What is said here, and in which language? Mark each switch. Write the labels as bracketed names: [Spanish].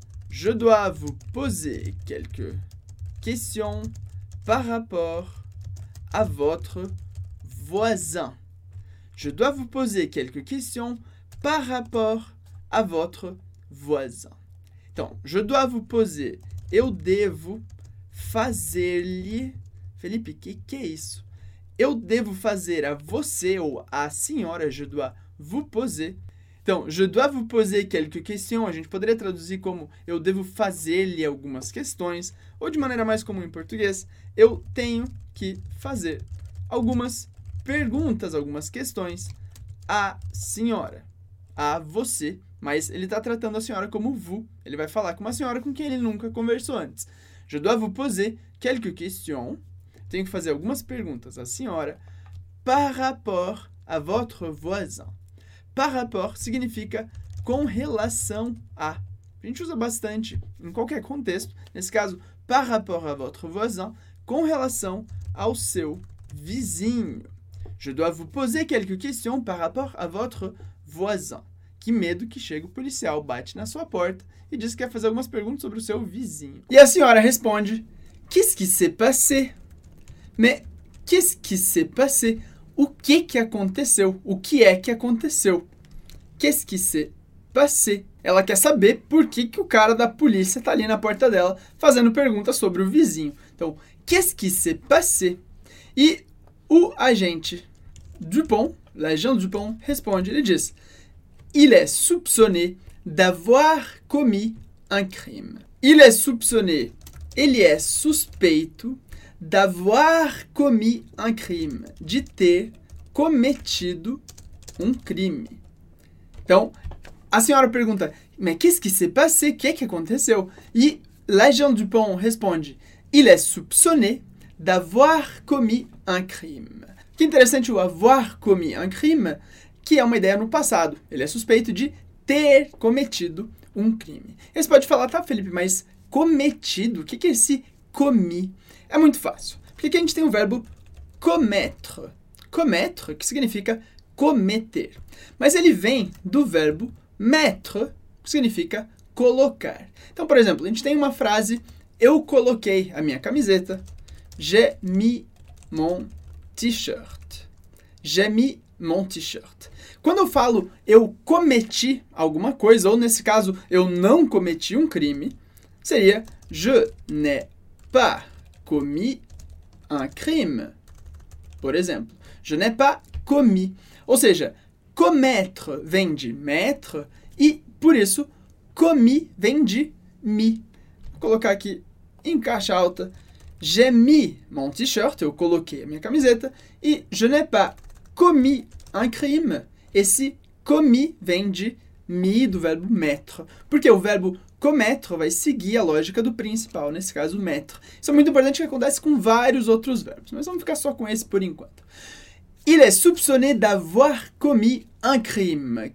[French] Je dois vous poser quelques questions par rapport à votre voisin. Je dois vous poser quelques questions par rapport à votre voisin. [Portuguese] Então, [French] je dois vous poser, [Portuguese] eu devo fazer-lhe... Felipe, o que é isso? Eu devo fazer a você ou à senhora, [French] je dois vous poser. [Portuguese] Então, [French] je dois vous poser quelques questions, [Portuguese] a gente poderia traduzir como eu devo fazer-lhe algumas questões, ou de maneira mais comum em português, eu tenho que fazer algumas perguntas, algumas questões à senhora, a você. Mas ele está tratando a senhora como vous. Ele vai falar com uma senhora com quem ele nunca conversou antes. [French] Je dois vous poser quelques questions. [Portuguese] Tenho que fazer algumas perguntas à senhora [French] par rapport à votre voisin. [Portuguese] Par rapport significa com relação a. A gente usa bastante em qualquer contexto. Nesse caso, [French] par rapport à votre voisin, [Portuguese] com relação ao seu vizinho. [French] Je dois vous poser quelques questions par rapport à votre voisin. [Portuguese] Que medo que chega o policial, bate na sua porta e diz que quer fazer algumas perguntas sobre o seu vizinho. E a senhora responde, [French] qu'est-ce qui s'est passé? [Portuguese] Mais qu'est-ce qui s'est passé? O que aconteceu? O que é que aconteceu? [French] Qu'est-ce qui s'est passé? [Portuguese] Ela quer saber por que, que o cara da polícia tá ali na porta dela fazendo perguntas sobre o vizinho. Então, [French] qu'est-ce qui s'est passé? [Portuguese] E o agente Dupont, l'agent Dupont, responde, ele diz... [French] Il est soupçonné d'avoir commis un crime. Il est soupçonné, [Portuguese] ele é suspeito [French] d'avoir commis un crime, [Portuguese] de ter cometido um crime. Então, a senhora pergunta, mas [French] qu'est-ce qui s'est passé? [Portuguese] O que é que aconteceu? E l'agent Dupont responde, [French] il est soupçonné d'avoir commis un crime. [Portuguese] Que interessante o [French] avoir commis un crime, [Portuguese] que é uma ideia no passado. Ele é suspeito de ter cometido um crime. E você pode falar, tá, Felipe, mas cometido? O que é esse comi? É muito fácil. Porque aqui a gente tem o verbo commettre. Commettre, que significa cometer. Mas ele vem do verbo mettre, que significa colocar. Então, por exemplo, a gente tem uma frase, eu coloquei a minha camiseta. [French] J'ai mis mon t-shirt. J'ai mis mon t-shirt. [Portuguese] Quando eu falo eu cometi alguma coisa, ou nesse caso, eu não cometi um crime, seria [French] je n'ai pas commis un crime. [Portuguese] Por exemplo, [French] je n'ai pas commis. [Portuguese] Ou seja, commettre vem de mettre e, por isso, commis vem de mi. Vou colocar aqui em caixa alta. [French] J'ai mis mon t-shirt, [Portuguese] eu coloquei a minha camiseta, e [French] je n'ai pas commis un crime. [Portuguese] Esse commis vem de mi, do verbo mettre. Porque o verbo commettre vai seguir a lógica do principal, nesse caso, mettre. Isso é muito importante que acontece com vários outros verbos. Mas vamos ficar só com esse por enquanto. [French] Il est soupçonné d'avoir commis un crime.